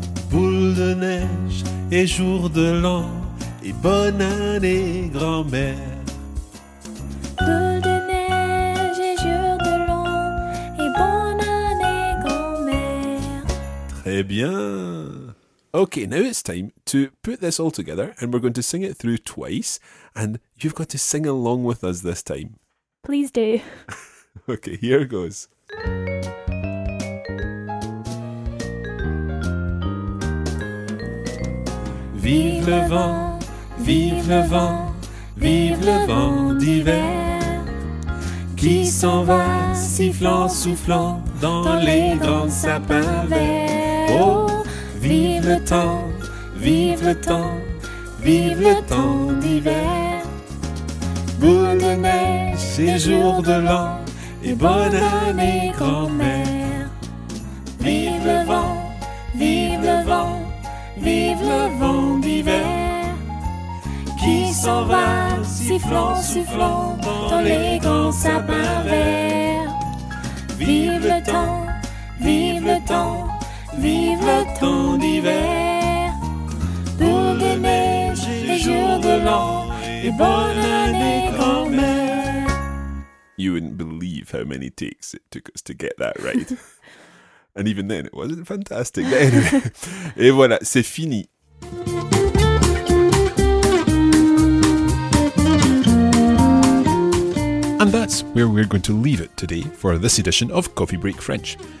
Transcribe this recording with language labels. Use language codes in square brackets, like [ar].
[fr] Boule de neige et jour de l'an et bonne année grand-mère. Boule de neige et jour de l'an et bonne année Très bien. [en] Okay, now it's time to put this all together, and we're going to sing it through twice, and you've got to sing along with us this time. Please do. Okay, here goes. [fr] Vive le vent, vive le vent, vive le vent d'hiver, qui s'en va sifflant, soufflant dans les grands sapins verts. Oh, vive le temps, vive le temps d'hiver. Boule de neige et jour de l'an, et bonne année grand-mère. Vive le vent, vive le vent d'hiver, qui s'en va sifflant, soufflant dans les grands sapins verts. Vive le temps, vive le temps d'hiver. Boule de neige et jour de l'an, et bonne année grand-mère. [en] You wouldn't believe how many takes it took us to get that right. And even then, it wasn't fantastic. Anyway. [fr] Et voilà, c'est fini. [en] And that's where we're going to leave it today for this edition of Coffee Break French.